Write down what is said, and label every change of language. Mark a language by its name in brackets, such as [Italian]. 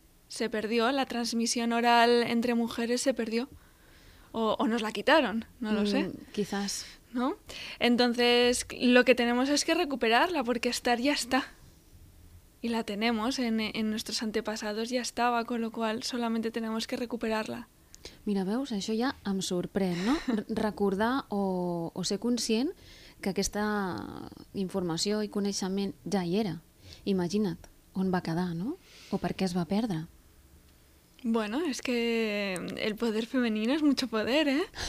[Spanish] Se perdió, la transmisión oral entre mujeres se perdió. O nos la quitaron, no lo sé. Quizás. ¿No? Entonces, lo que tenemos es que recuperarla, porque estar ya está. Y la tenemos en nuestros antepasados, ya estaba, con lo cual solamente tenemos que recuperarla. [Catalan] Mira, veus, això ja em sorprèn, no? Recordar o ser conscient que aquesta informació i coneixement ja hi era. Imagina't on va quedar, no? O per què es va perdre. [Spanish] Bueno, es que el poder femenino es mucho poder, ¿eh?